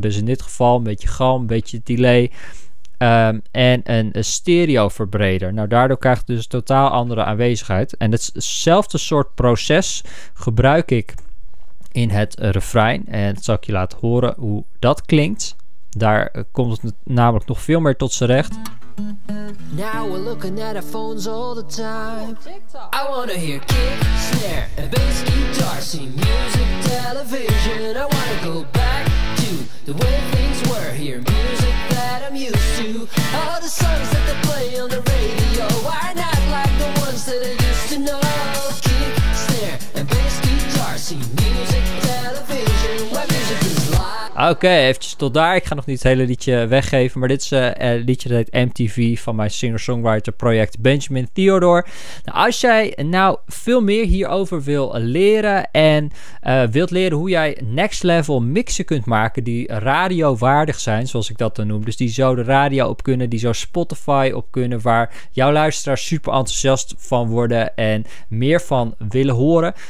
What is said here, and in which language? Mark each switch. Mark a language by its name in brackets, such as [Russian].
[Dutch] Dus in dit geval een beetje galm, een beetje delay. En een stereo verbreder. Nou, daardoor krijg je dus totaal andere aanwezigheid. En hetzelfde soort proces gebruik ik in het refrein. En dat zal ik je laten horen hoe dat klinkt. Daar komt het namelijk nog veel meer tot z'n recht. [English] Now we're looking at our phones all the time. I wanna hear kick, snare, a bass guitar, see music, television. I wanna go back to the way things were here. Music that I'm used to. All the songs that they play on the radio are not like the ones that I used to know. Kick, snare, a bass guitar, see music, television. Where music is live. [Dutch] Oké, eventjes tot daar. Ik ga nog niet het hele liedje weggeven. Maar dit is een liedje dat heet MTV van mijn singer-songwriter project Benjamin Theodore. Nou, als jij nou veel meer hierover wil leren en wilt leren hoe jij next level mixen kunt maken die radiowaardig zijn, zoals ik dat dan noem. Dus die zo de radio op kunnen, die zo Spotify op kunnen, waar jouw luisteraars super enthousiast van worden en meer van willen horen.